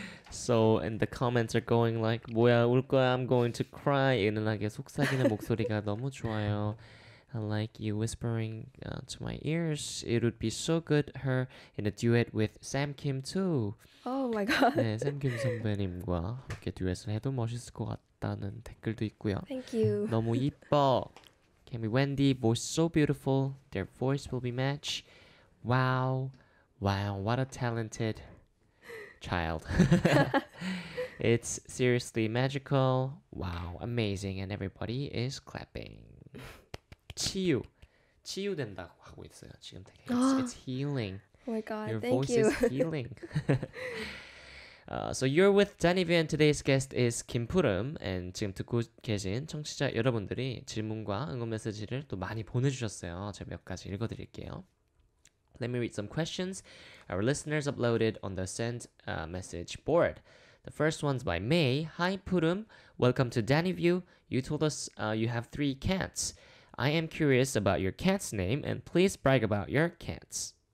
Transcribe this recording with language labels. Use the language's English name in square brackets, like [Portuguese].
[English] So, and the comments are going like, [Korean] 뭐야 울 거야, [English] I'm going to cry. [Korean] 은은하게 속삭이는 목소리가 너무 좋아요. [English] I like you whispering to my ears. It would be so good her in a duet with Sam Kim too. Oh my god. [Korean] 네, Sam Kim 선배님과 이렇게 듀엣을 해도 멋있을 것 같다는 댓글도 있고요. [English] Thank you. [Korean] 너무 이뻐. [English] Can be Wendy, voice so beautiful. Their voice will be match. Wow. Wow, what a talented child. It's seriously magical. Wow, amazing. And everybody is clapping. 치유. [Korean] 치유된다고 하고 있어요. 지금 되게. [English] It's healing. Oh my god, your thank you. Your voice is healing. So you're with DANNiVIEW and today's guest is KimPuReum. [Korean] And 지금 듣고 계신 청취자 여러분들이 질문과 응원 메시지를 또 많이 보내주셨어요. 제가 몇 가지 읽어드릴게요. [English] Let me read some questions our listeners uploaded on the send message board. The first one's by May. Hi, Purum. Welcome to DANNiVIEW. You told us you have three cats. I am curious about your cat's name, and please brag about your cats.